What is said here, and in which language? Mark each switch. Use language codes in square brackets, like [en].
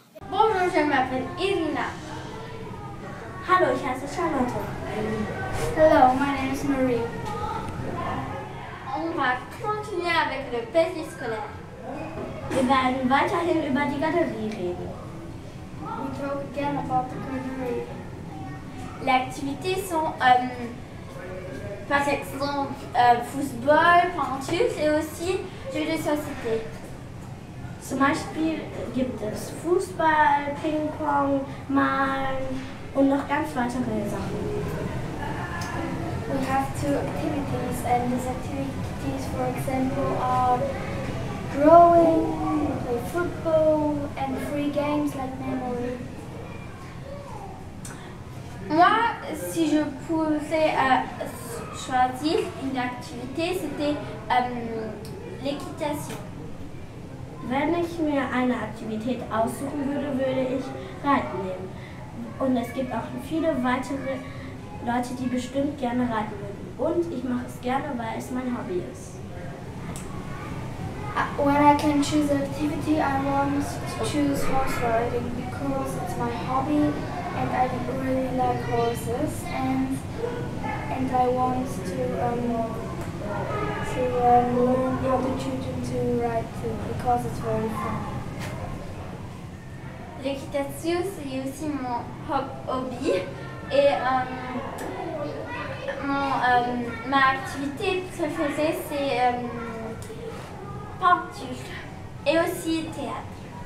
[fr] Bonjour, je m'appelle Irina. Hello, je suis Charlotte. [en] Hello, my name is Marie. [fr] On va continuer avec le périscolaire. Et ben, nous va chercher le bas du galerie. [en] We talk again about the galerie. [fr] Les activités sont, par exemple, football, peinture et aussi jeux de société. [de] Zum Beispiel gibt es Fußball, Ping-Pong, Malen und noch ganz weitere Sachen. [en] We have two activities and these activities, for example, are drawing, play football and free games like memory. [fr] Moi, si je pouvais choisir une activité, c'était l'équitation. [de] Wenn ich mir eine Aktivität aussuchen würde, würde ich Reiten nehmen. Und es gibt auch viele weitere Leute, die bestimmt gerne reiten würden. Und ich mache es gerne, weil es mein Hobby ist. [en] When I can choose an activity, I want to choose horse riding because it's my hobby and I really like horses and I want to learn the opportunity to ride too because it's very fun. [fr] L'équitation, c'est aussi mon hobby et ma activité préférée, c'est peinture et aussi théâtre.